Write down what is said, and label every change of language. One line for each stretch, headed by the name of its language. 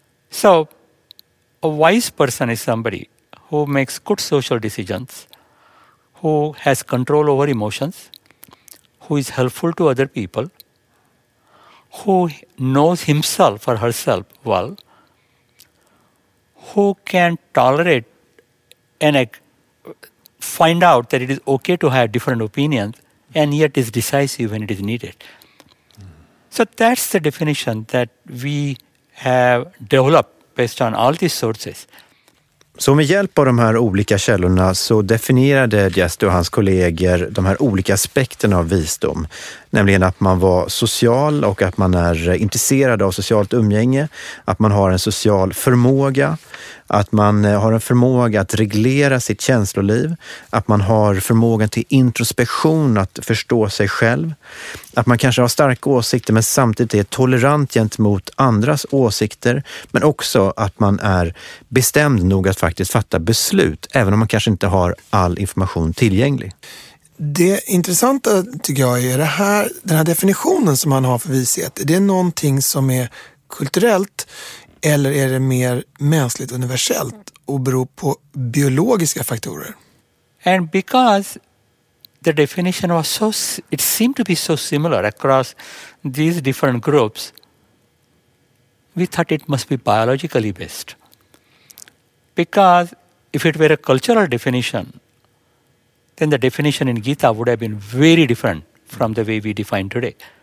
English: So a wise person is somebody who makes good social decisions, who has control over emotions, who is helpful to other people, who knows himself or herself well, who can tolerate and find out that it is okay to have different opinions, and yet is decisive when it is needed. So that's the definition that we have developed based on all these sources.
Swedish: Så med hjälp av de här olika källorna så definierade Geste och hans kollegor de här olika aspekterna av visdom. Nämligen att man var social och att man är intresserad av socialt umgänge. Att man har en social förmåga. Att man har en förmåga att reglera sitt känsloliv. Att man har förmågan till introspektion, att förstå sig själv. Att man kanske har starka åsikter men samtidigt är tolerant gentemot andras åsikter. Men också att man är bestämd nog att faktiskt fatta beslut, även om man kanske inte har all information tillgänglig. Det intressanta tycker jag är det här, den här definitionen som man har för vishet. Är det någonting som är kulturellt eller är det mer mänskligt universellt och beror på biologiska faktorer?
English: And because the definition was so, it seemed to be so similar across these different groups, we thought it must be biologically based. Because if it were a cultural definition, then the definition in Gita would have been very different from the way we define today.